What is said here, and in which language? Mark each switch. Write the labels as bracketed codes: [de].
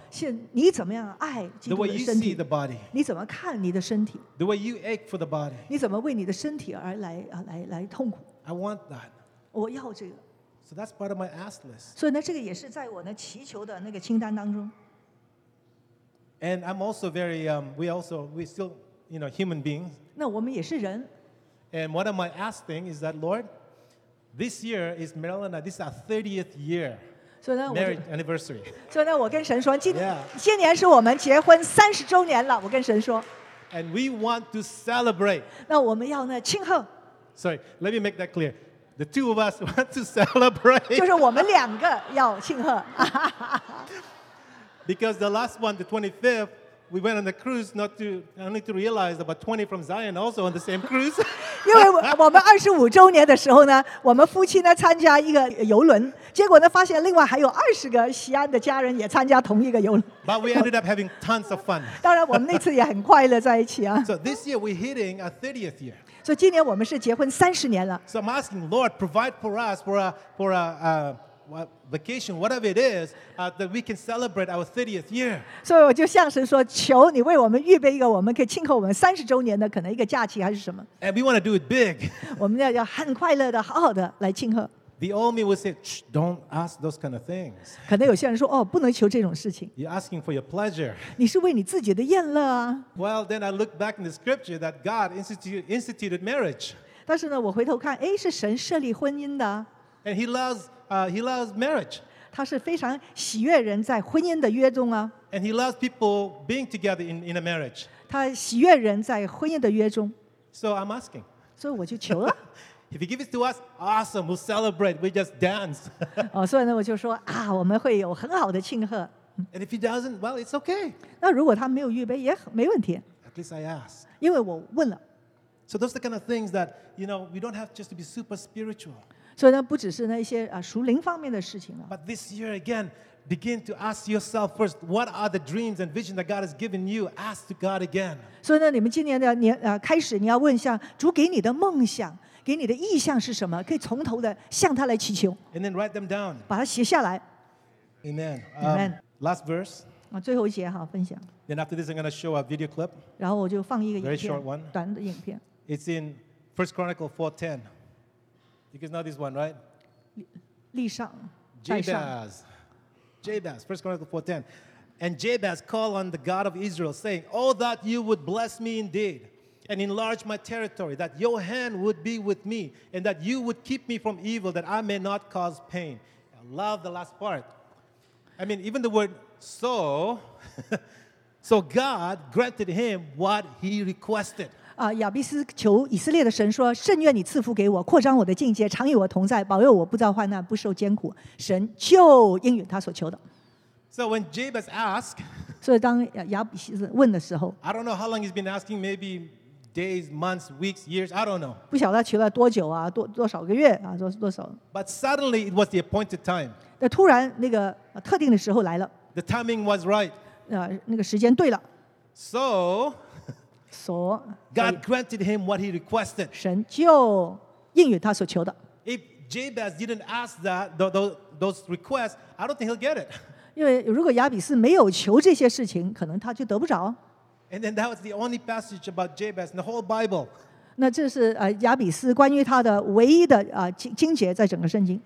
[zh] 现你怎么样爱基督的身体。 [en] The way you see the body. [zh] 你怎么看你的身体。 [en] The way you ache for the body. [zh] 你怎么为你的身体而来痛苦。 [en] I want that. [zh] 我要这个。 [en] So that's part of my ask list. [zh] 所以呢，这个也是在我呢祈求的那个清单当中。 [en] And I'm also very we're still you know human beings. [zh] 那我们也是人。 [en] And one of my ask thing is that Lord. This year is Marilyn and I, this is our 30th year marriage anniversary. So now I [zh] 跟神说，今年是我们结婚30周年了。我跟神说， [en] and we want to celebrate. [zh] 那我们要呢庆贺。 [en] Sorry, let me make that clear. The two of us want to celebrate. [zh] 就是我们两个要庆贺。 [en] Because the last one, the 25th, we went on the cruise. Not to only to realize about 20 from Zion also on the same cruise. [zh] 因为我们25周年的时候呢，我们夫妻呢参加一个游轮，结果呢发现另外还有20个西安的家人也参加同一个游轮。 [en] But we ended up having tons of fun. [zh] 当然，我们那次也很快乐在一起啊。 [en] So this year we're hitting our 30th year. [zh] 所以今年我们是结婚30年了。 [en] So I'm asking Lord provide for us for a vacation, whatever it is, that we can celebrate our 30th year. So I [zh] 就向神说，求你为我们预备一个我们可以庆贺我们30周年的可能一个假期还是什么。 [en] And we want to do it big. [zh] 我们要很快乐的，好好的来庆贺。 [en] The old me would say, "Don't ask those kind of things." [zh] 可能有些人说，哦，不能求这种事情。 [en] You're asking for your pleasure. [zh] 你是为你自己的宴乐啊。 [en] Well, then I look back in the scripture that God instituted marriage. [zh] 但是呢，我回头看，哎，是神设立婚姻的。 [en] And He loves marriage. [zh] 他是非常喜悦人在婚姻的约中啊。 [en] And he loves people being together in a marriage. [zh] 他喜悦人在婚姻的约中。 [en] So I'm asking. [zh] 所以我就求了。 [en] If he gives it to us, awesome. We'll celebrate. We just dance. [zh] 哦，所以呢，我就说啊，我们会有很好的庆贺。 [en] And if he doesn't, well, it's okay. [zh] 那如果他没有预备，也没问题。 [en] At least I asked. [zh] 因为我问了。 [en] So those are the kind of things that you know we don't have just to be super spiritual. [zh] 所以呢，不只是那些啊属灵方面的事情了。 [en] But this year again, begin to ask yourself first, what are the dreams and vision that God has given you? Ask to God again. [zh] 所以呢，你们今年的年啊开始，你要问一下主给你的梦想，给你的意向是什么？可以从头的向他来祈求。 [en] And then write them down. [zh] 把它写下来。 [en] Amen. Amen. Last verse. [zh] 啊，最后一节哈，分享。 [en] Then after this, I'm going to show a video clip. [zh] 然后我就放一个影片。 [en] Very short one. [zh] 短的影片。 [en] It's in 1 Chronicles 4:10. You guys know this one, right? [zh] 历上 [en] Jabez. Jabez, 1 Chronicles 4:10. And Jabez called on the God of Israel, saying, Oh, that you would bless me indeed, and enlarge my territory, that your hand would be with me, and that you would keep me from evil, that I may not cause pain. I love the last part. I mean, even the word so, so God granted him what he requested. [zh] 亚比斯求以色列的神说，甚愿你赐福给我，扩张我的境界，常与我同在，保佑我不遭患难，不受艰苦。神就应允他所求的。 [en] So when Jabez asked, [zh] 所以当亚比斯问的时候， [en] I don't know how long he's been asking, maybe days, months, weeks, years, I don't know. [zh] 不晓得他求了多久啊，多少个月啊，多少。 [en] But suddenly it was the appointed time. [zh] 那突然那个特定的时候来了。 [en] The timing was right. [zh] 那个时间对了。 [en] So, So, God granted him what he requested. [zh] 神就应允他所求的。 [en] If Jabez didn't ask that those requests, I don't think he'll get it. [zh] 因为如果亚比斯没有求这些事情，可能他就得不着。 [en] And then that was the only passage about Jabez in the whole Bible. [zh] 那这是亚比斯关于他的唯一的经节在整个圣经。